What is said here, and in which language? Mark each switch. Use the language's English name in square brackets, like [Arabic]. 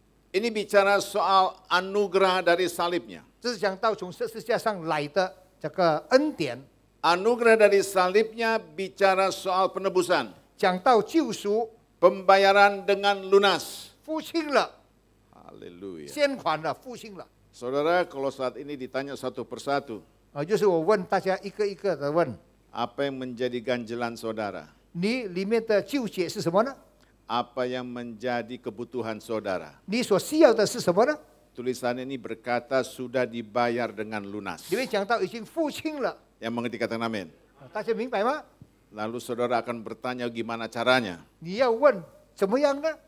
[Indonesian] Ini bicara soal anugerah dari salibnya. [Chinese] 这是讲到从十字架上来的这个恩典. [Indonesian] Anugerah dari salibnya bicara soal penebusan. [Chinese] 讲到救赎. [Indonesian] Pembayaran dengan lunas. [Chinese] 付清了. [Indonesian] Haleluya. [Chinese] 先款了, 付清了. [Indonesian] Saudara, kalau saat ini ditanya satu persatu, [Chinese] 就是我问大家一个一个的问, [Indonesian] apa yang menjadi ganjelan saudara? [Chinese] 你里面的纠结是什么呢? [Indonesian] Apa yang menjadi kebutuhan saudara? [Chinese] 你所需要的是什么呢? [Indonesian] Tulisan ini berkata sudah dibayar dengan lunas. [Chinese] 里面讲到已经付清了. [Indonesian] Yang mengerti katakan amin. [Chinese] 大家明白吗? [Indonesian] Lalu saudara akan bertanya gimana caranya? [Chinese] 你要问怎么样呢?